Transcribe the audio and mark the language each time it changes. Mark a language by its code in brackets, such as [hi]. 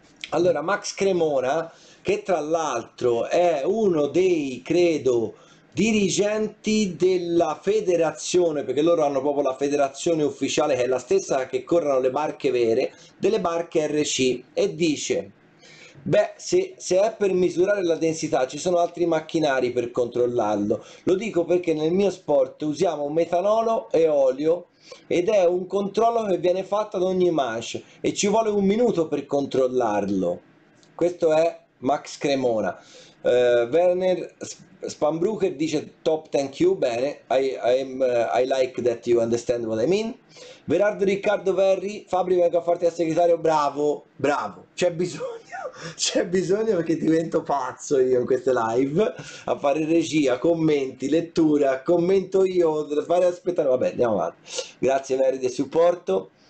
[it] Allora, Max Cremona, che tra l'altro è uno dei, credo, dirigenti della federazione, perché loro hanno proprio la federazione ufficiale, che è la stessa che corrono le barche vere, delle barche RC, e dice, beh, se è per misurare la densità ci sono altri macchinari per controllarlo. Lo dico perché nel mio sport usiamo metanolo e olio, ed è un controllo che viene fatto ad ogni manche e ci vuole un minuto per controllarlo. Questo è Max Cremona. Werner Spambrucher dice top 10 Q, bene, [en] I like that, you understand what I mean. [it] Berardo Riccardo Verri, Fabri, vengo a farti da segretario, bravo, bravo, c'è bisogno perché divento pazzo io in queste live, a fare regia, commenti, lettura, commento io, fare aspettare, vabbè, andiamo avanti, grazie Verri del supporto.